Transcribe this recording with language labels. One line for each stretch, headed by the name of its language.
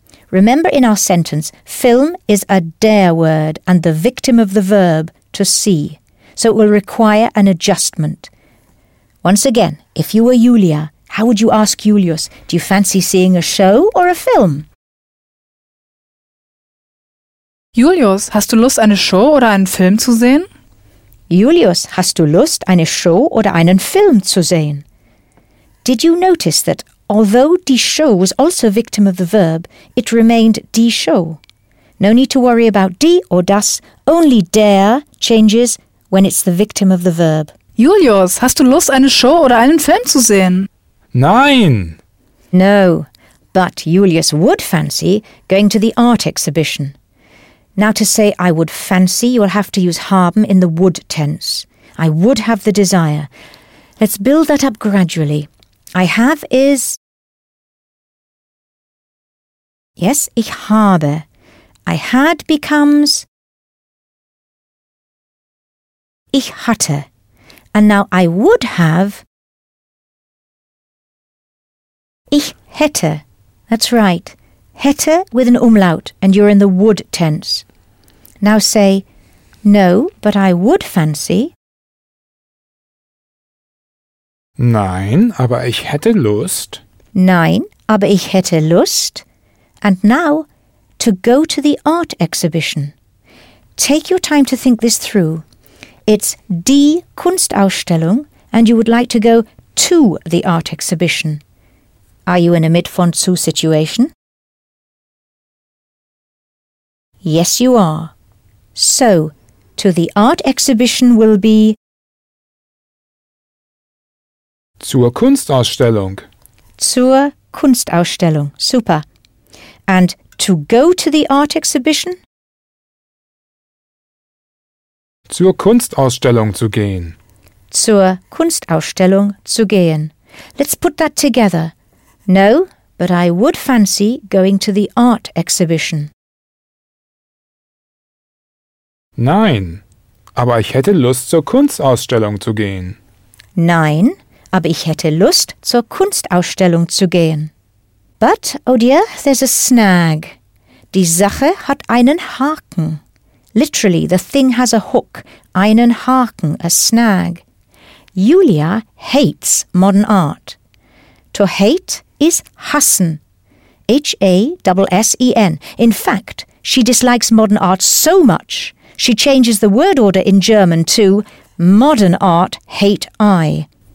English: Remember in our sentence, Film is a der word and the victim of the verb, to see. So it will require an adjustment. Once again, if you were Julia, how would you ask Julius, do you fancy seeing a show or a film?
German: Julius, hast du Lust, eine Show oder einen Film zu sehen? Julius, hast du Lust, eine Show oder einen Film zu sehen?
English: Did you notice that although die Show was also victim of the verb, it remained die Show? No need to worry about die or das, only der changes when it's the victim of the verb.
German: Julius, hast du Lust, eine Show oder einen Film zu sehen? Nein!
English: No, but Julius would fancy going to the art exhibition. Now to say I would fancy, you'll have to use haben in the would tense. I would have the desire. Let's build that up gradually. I have is... Yes, ich habe. I had becomes... Ich hatte. And now I would have... Ich hätte. That's right. Hätte with an umlaut, and you're in the would tense. Now say, no, but I would fancy...
German: Nein, aber ich hätte Lust. Nein, aber ich hätte Lust.
English: And now, to go to the art exhibition. Take your time to think this through. It's die Kunstausstellung, and you would like to go to the art exhibition. Are you in a mit von zu situation? Yes, you are. So, to the art exhibition will be...
German: Zur Kunstausstellung. Zur Kunstausstellung. Super.
English: And to go to the art exhibition?
German: Zur Kunstausstellung zu gehen. Zur Kunstausstellung zu gehen.
English: Let's put that together. No, but I would fancy going to the art exhibition.
German: Nein, aber ich hätte Lust, zur Kunstausstellung zu gehen. Nein, aber ich hätte Lust, zur Kunstausstellung zu gehen.
English: But, oh dear, there's a snag.
German: Die Sache hat einen Haken.
English: Literally, the thing has a hook. Einen Haken, a snag. Julia hates modern art. To hate is hassen. H-A-S-S-E-N. In fact, she dislikes modern art so much, she changes the word order in German to modern art, hate I.